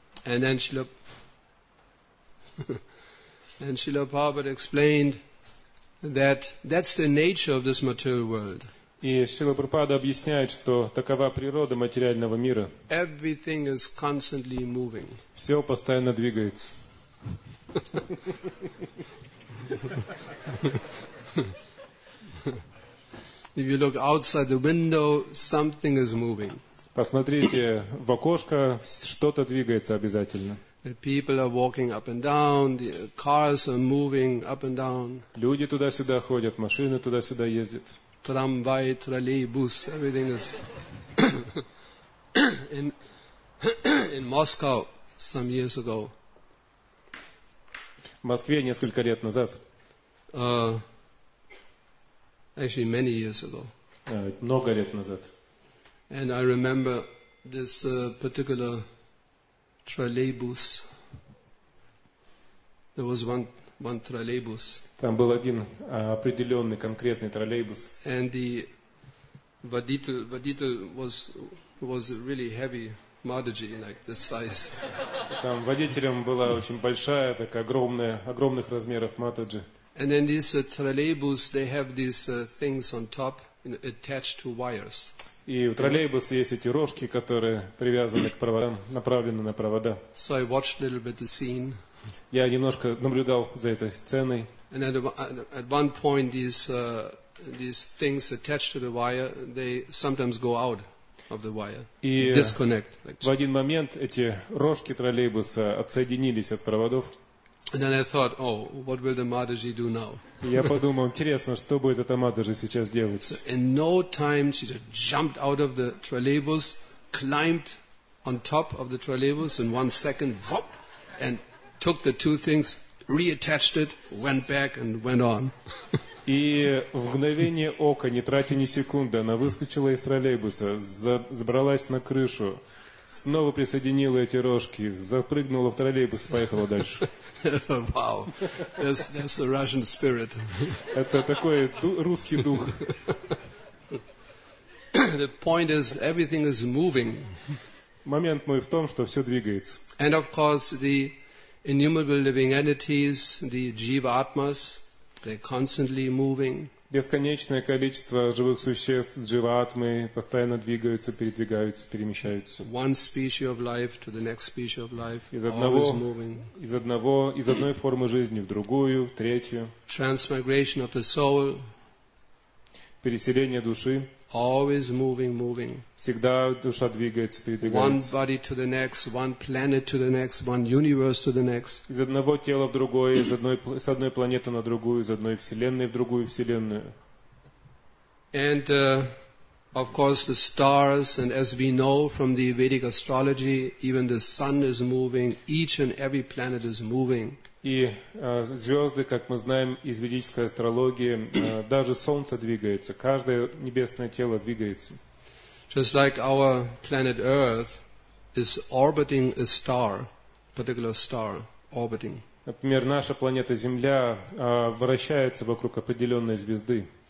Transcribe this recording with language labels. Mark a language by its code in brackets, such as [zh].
[en] And then Srila Prabhupada explained that's the nature of this material world. [ru] И Шрила Прабхупада объясняет, что такова природа материального мира. [en] Everything is constantly moving. [ru] Все постоянно двигается. [en] If you look outside the window, something is moving. [ru] Посмотрите в окошко, что-то двигается обязательно. [en] People are walking up and down, the cars are moving up and down. [ru] Люди туда-сюда ходят, машины туда-сюда ездят. Трамвай, троллейбус, [en] everything is in Moscow some years ago. [ru] В Москве несколько лет назад. [en] Actually, many years ago. [ru] Много лет назад. [en] And I remember this particular троллейбус. There was one троллейбус. [ru] Там был один определенный конкретный троллейбус. [en] And the [ru] водитель [en] was really heavy. Madhuji, like this size. [ru] Там водителем была очень большая, такая огромная, огромных размеров Madhuji. [en] And then these троллейбус, they have these things on top, attached to wires. [ru] И у троллейбуса есть эти рожки, которые привязаны к проводам, направлены на провода. [en] So I watched a little bit the scene. [ru] Я немножко наблюдал за этой сценой. [en] And at one point these things attached to the wire, they sometimes go out. Of the wire. [ru] И [en] disconnect, [ru] в один момент эти рожки троллейбуса отсоединились от проводов. [en] And then I thought, oh, what will the Madhuji do now? [ru] Я подумал, интересно, что будет эта Madhuji сейчас делать? [en] So in no time she just jumped out of the trolleybus, climbed on top of the trolleybus in one second, whoop, and took the two things, reattached it, went back and went on. [ru] И в мгновение ока, не тратя ни секунды, она выскочила из троллейбуса, забралась на крышу, снова присоединила эти рожки, запрыгнула в троллейбус, поехала дальше. [en] Wow, that's a Russian spirit. [ru] Это такой русский дух. [en] The point is, everything is moving. [ru] Момент мой в том, что все двигается. [en] And of course, the innumerable living entities, the jiva-atmas, they're constantly moving. [ru] Бесконечное количество живых существ, дживатмы, постоянно двигаются, передвигаются, перемещаются. [en] One species of life to the next species of life, always moving. [ru] Из одной формы жизни в другую, в третью. [en] Transmigration of the soul. [ru] Переселение души. [en] Always moving. [ru] Всегда душа двигается, передвигается. [en] One body to the next, one planet to the next, one universe to the next. [ru] Из одного тела в другое, с одной планеты на другую, из одной вселенной в другую вселенную. [en] And of course the stars, and as we know from the Vedic astrology, even the sun is moving, each and every planet is moving. [ru] И звезды, как мы знаем из ведической астрологии, даже Солнце двигается, каждое небесное тело двигается. [en] Just like our planet Earth is orbiting a star, particular star orbiting. [ru] Например, наша планета Земля вращается вокруг определенной звезды.